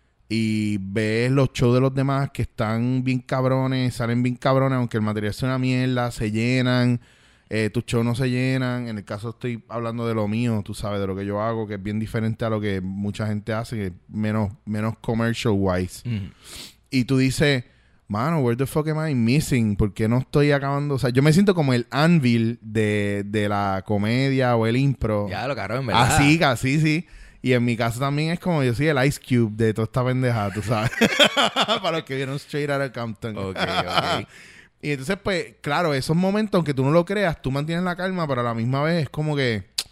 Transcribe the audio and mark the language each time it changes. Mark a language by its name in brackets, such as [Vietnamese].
[Spanish] Y ves los shows de los demás que están bien cabrones, salen bien cabrones, aunque el material sea una mierda, se llenan, Tus shows no se llenan. En el caso, estoy hablando de lo mío, tú sabes, de lo que yo hago, que es bien diferente a lo que mucha gente hace, que es menos [English] commercial wise. [Spanish] Y tú dices, mano, [English] where the fuck am I missing? [Spanish] ¿Por qué no estoy acabando? O sea, yo me siento como el anvil de la comedia o el impro. Ya, lo cabrón, ¿verdad? Así, casi, sí. Y en mi caso también es como, yo soy el Ice Cube de toda esta pendejada, tú sabes. Para los que vieron Straight Outta Compton. Ok, ok. Y entonces, pues, claro, esos momentos, aunque tú no lo creas, tú mantienes la calma, pero a la misma vez es como que...